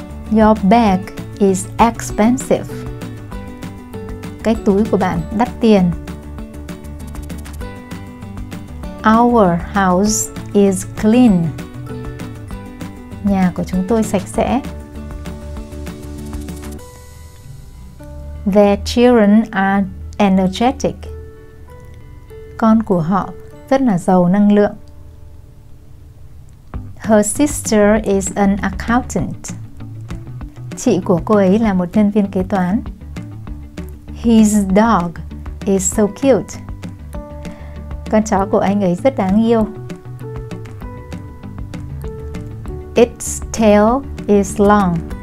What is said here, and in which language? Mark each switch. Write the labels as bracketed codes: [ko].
[en] Your bag is expensive. [vi] Cái túi của bạn đắt tiền. [en] Our house is clean. [vi] Nhà của chúng tôi sạch sẽ. [en] Their children are energetic. [vi] Con của họ rất là giàu năng lượng. [en] Her sister is an accountant. [vi] Chị của cô ấy là một nhân viên kế toán. [en] His dog is so cute. [vi] Con chó của anh ấy rất đáng yêu. [en] Its tail is long.